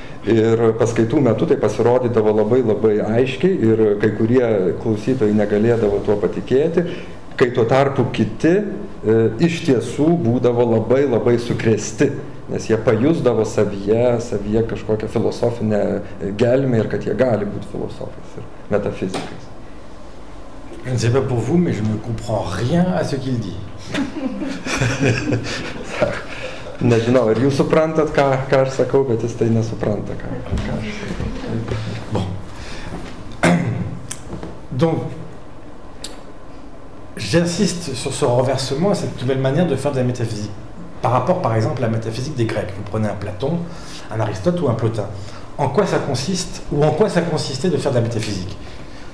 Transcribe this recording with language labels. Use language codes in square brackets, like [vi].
[lt] Ir paskaitų metu tai pasirodydavo labai labai aiškiai ir kai kurie klausytojai negalėdavo tuo patikėti, kai tuo tarpu kiti iš tiesų būdavo labai labai sukrėsti, nes jie pajusdavo savyje kažkokią filosofinę gelmę ir kad jie gali būti filosofais ir metafizikais. [fr] Je ne sais pas pour vous, mais je ne comprends rien à ce qu'il dit. [lt] Nežinau, ar jūs suprantat, ką aš sakau, bet jis tai nesupranta, ką aš sakau. Bon. [fr] Donc, j'insiste sur ce renversement, cette nouvelle manière de faire de la métaphysique. Par rapport, par exemple, à la métaphysique des Grecs. Vous prenez un Platon, un Aristote ou un Plotin. En quoi ça consiste, ou en quoi ça consistait de faire de la métaphysique ?